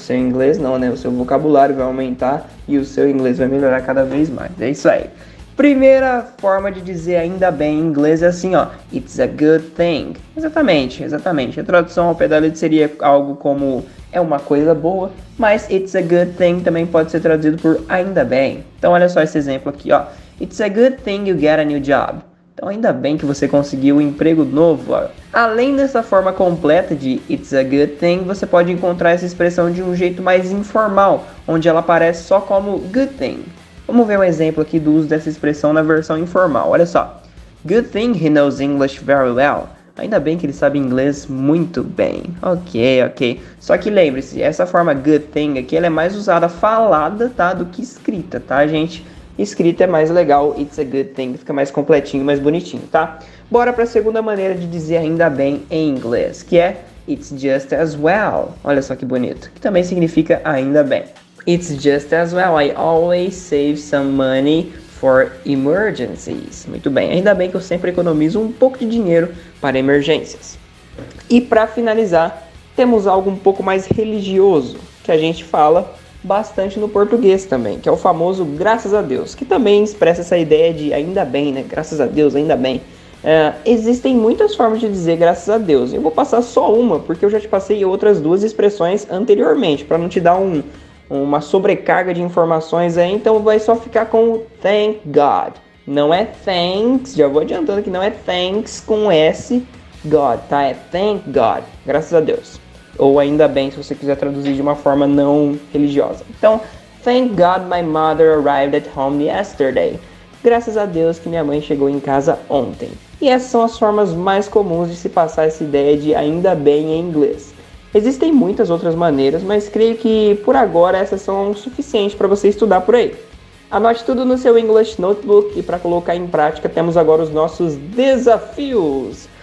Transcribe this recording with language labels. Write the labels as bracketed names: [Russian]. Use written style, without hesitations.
[Portuguese] O seu inglês não, né? O seu vocabulário vai aumentar e o seu inglês vai melhorar cada vez mais. É isso aí. Primeira forma de dizer ainda bem em inglês é assim, ó. [English] It's a good thing. [Portuguese] Exatamente, exatamente. A tradução ao pé da letra seria algo como é uma coisa boa, mas it's a good thing também pode ser traduzido por ainda bem. Então olha só esse exemplo aqui, ó. [English] It's a good thing you get a new job. [Portuguese] Então ainda bem que você conseguiu um emprego novo, ó. Além dessa forma completa de it's a good thing, você pode encontrar essa expressão de um jeito mais informal, onde ela aparece só como good thing. Vamos ver um exemplo aqui do uso dessa expressão na versão informal, olha só. [English] Good thing he knows English very well. [Portuguese] Ainda bem que ele sabe inglês muito bem. Ok, ok. Só que lembre-se, essa forma good thing aqui, ela é mais usada falada, tá, do que escrita, tá, gente? Escrita é mais legal, it's a good thing, fica mais completinho, mais bonitinho, tá? Bora pra segunda maneira de dizer ainda bem em inglês, que é it's just as well. Olha só que bonito, que também significa ainda bem. [English] It's just as well, I always save some money for emergencies. [Portuguese] Muito bem, ainda bem que eu sempre economizo um pouco de dinheiro para emergências. E para finalizar, temos algo um pouco mais religioso, que a gente fala bastante no português também, que é o famoso graças a Deus, que também expressa essa ideia de ainda bem, né? Graças a Deus, ainda bem. Existem muitas formas de dizer graças a Deus. Eu vou passar só uma, porque eu já te passei outras duas expressões anteriormente, para não te dar uma sobrecarga de informações aí, então vai só ficar com o thank God. Não é thanks, já vou adiantando que não é thanks com S, God, tá? É thank God, graças a Deus. Ou ainda bem, se você quiser traduzir de uma forma não religiosa. Então, [English] thank God my mother arrived at home yesterday. [Portuguese] Graças a Deus que minha mãe chegou em casa ontem. E essas são as formas mais comuns de se passar essa ideia de ainda bem em inglês. Existem muitas outras maneiras, mas creio que por agora essas são suficientes para você estudar por aí. Anote tudo no seu English Notebook e para colocar em prática temos agora os nossos desafios.